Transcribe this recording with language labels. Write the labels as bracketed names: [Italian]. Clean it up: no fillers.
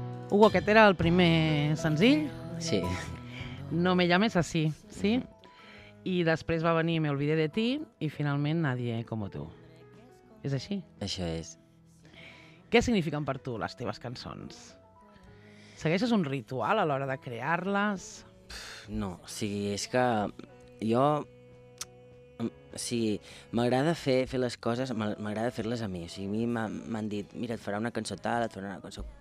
[Catalan] Hugo, aquest era el primer senzill? Sí. [Spanish] No me llames así, sí? [Catalan] I després va venir Me olvidé de ti i finalment Nadie como tú. És així? Això és. Què signifiquen per tu les teves cançons? Segueixes un ritual a l'hora de crear-les? No, o sigui, és que jo... O sigui, m'agrada fer les coses, m'agrada fer-les a mi. O sigui, a mi m'han dit, mira, et farà una cançó tal, et farà una cançó...